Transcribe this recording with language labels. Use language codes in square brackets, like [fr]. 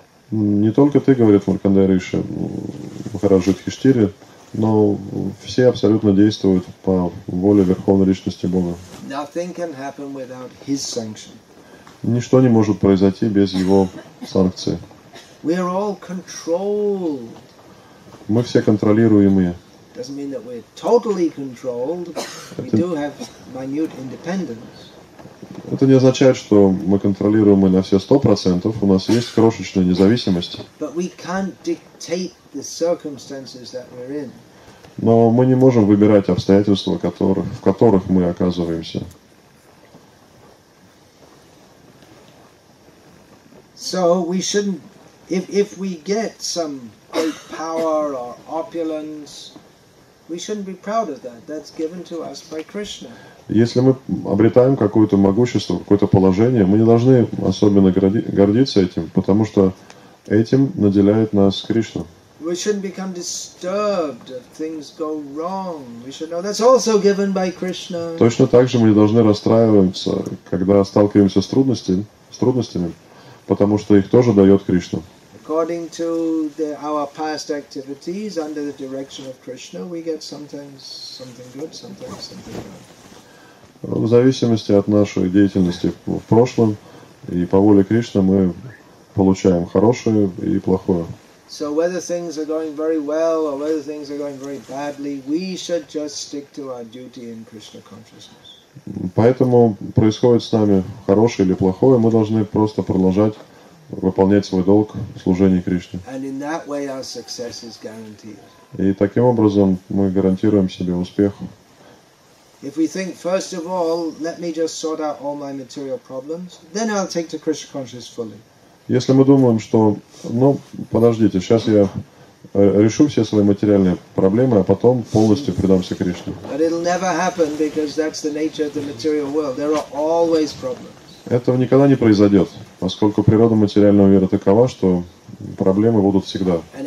[ru] Не только ты, говорит Маркандея Риши, Махараджа Юдхиштхире, но все абсолютно действуют по воле Верховной Личности Бога. [en] Nothing can happen without his sanction. [ru] Ничто не может произойти без его санкции. [en] We are all controlled. [ru] Мы все контролируемые. [en] Doesn't mean that we're totally controlled. We do have minute independence. [ru] Это не означает, что мы контролируемы на все 100%. У нас есть крошечная независимость. [en] But we can't dictate the circumstances that we're in. [ru] Но мы не можем выбирать обстоятельства, в которых мы оказываемся. [en] So we shouldn't, if we get some great power or opulence. We shouldn't be proud of that. That's given to us by Krishna. [ru] Если мы обретаем какое-то могущество, какое-то положение, мы не должны особенно гордиться этим, потому что этим наделяет нас Кришна. [en] We shouldn't become disturbed if things go wrong. We should know that's also given by Krishna. [ru] Точно так же мы не должны расстраиваться, когда сталкиваемся с трудностями, потому что их тоже дает Кришна. [en] According to our past activities under the direction of Krishna, we get sometimes something good, sometimes something bad. [ru] В зависимости от нашей деятельности в прошлом и по воле Кришны мы получаем хорошее и плохое. [en] So whether things are going very well or whether things are going very badly, we should just stick to our duty in Krishna consciousness. [ru] Поэтому происходит с нами хорошее или плохое, мы должны просто продолжать выполнять свой долг в служении Кришне. [en] And in that way our success is guaranteed. [ru] И таким образом мы гарантируем себе успех. [en] If we think, first of all, let me just sort out all my material problems, then I'll take to Krishna consciousness fully. [ru] Если мы думаем, что, ну, подождите, сейчас я решу все свои материальные проблемы, а потом полностью предамся Кришне. [en] But it'll never happen because that's the nature of the material world. There are always problems. [ru] Этого никогда не произойдет, поскольку природа материального мира такова, что проблемы будут всегда.